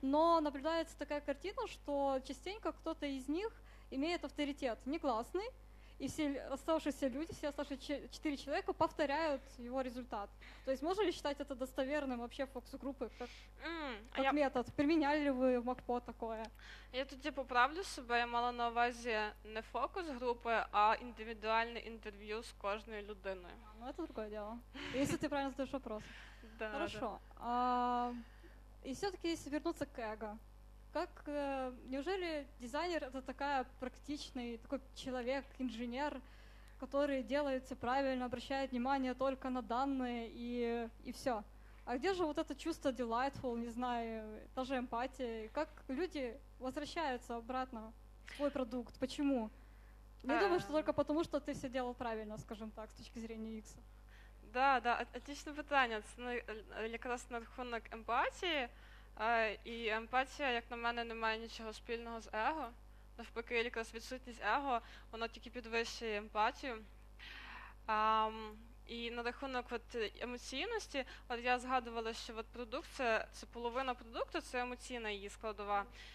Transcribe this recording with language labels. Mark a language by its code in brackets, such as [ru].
[ru] Но наблюдается такая картина, что частенько кто-то из них имеет авторитет негласный, и все оставшиеся люди, все оставшиеся 4 человека повторяют его результат. То есть можно ли считать это достоверным вообще фокус-группы как, как метод? Применяли ли вы в МакПо такое? [uk] Я тут поправлю себе, я мала на увазі не фокус-групи, а індивідуальне інтерв'ю з кожною людиною. Ну, це друге діло. Якщо ти правильно задаєш питання. [ru] Да, хорошо. Да. И все-таки, если вернуться к эго, как, неужели дизайнер — это такая практичный такой человек, инженер, который делает все правильно, обращает внимание только на данные и все? А где же вот это чувство delightful, не знаю, та же эмпатия? Как люди возвращаются обратно в свой продукт? Почему? Не думаю, что только потому, что ты все делал правильно, скажем так, с точки зрения X. Да, да, отличное питание. Это как раз на рахунок эмпатии. [uk] І емпатія, як на мене, не має нічого спільного з его. Навпаки, якраз відсутність его, воно тільки підвищує емпатію. І на рахунок от емоційності, от я згадувала, що от продукт це половина продукту, це емоційна її складова.